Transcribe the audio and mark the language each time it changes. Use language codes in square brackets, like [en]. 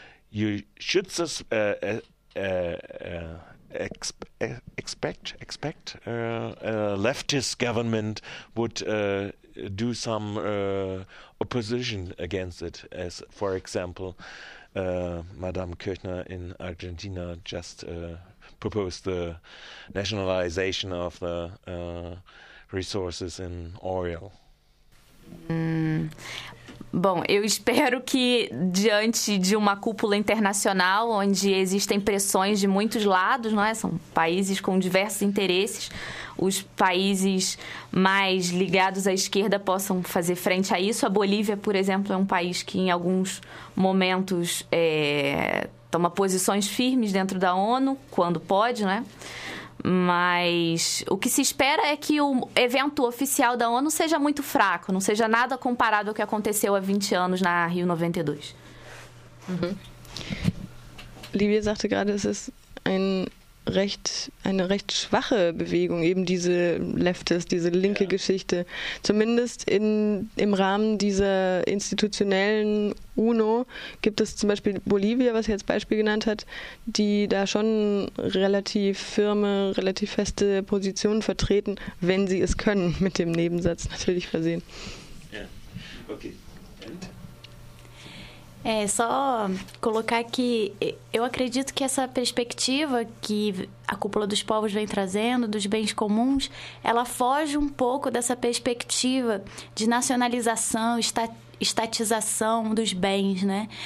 [en] You should expect a leftist government would do some opposition against it, as for example, Madame Kirchner in Argentina just proposed the nationalization of the resources in oil. [pt] Bom, eu espero que diante de uma cúpula internacional onde existem pressões de muitos lados, não é? São países com diversos interesses, os países mais ligados à esquerda possam fazer frente a isso. A Bolívia, por exemplo, é um país que em alguns momentos toma posições firmes dentro da ONU, quando pode, não é? Mas o que se espera é que o evento oficial da ONU seja muito fraco, não seja nada comparado ao que aconteceu há 20 anos na Rio 92. [de] Livia sagte gerade, es ist eine recht schwache Bewegung, eben diese Leftist, diese linke Geschichte. Zumindest im Rahmen dieser institutionellen UNO gibt es zum Beispiel Bolivia, was ihr jetzt Beispiel genannt hat, die da schon relativ firme, relativ feste Positionen vertreten, wenn sie es können, mit dem Nebensatz natürlich versehen. Ja, okay. [pt] É só colocar que eu acredito que essa perspectiva que a Cúpula dos Povos vem trazendo, dos bens comuns, ela foge um pouco dessa perspectiva de nacionalização, estatização dos bens, né?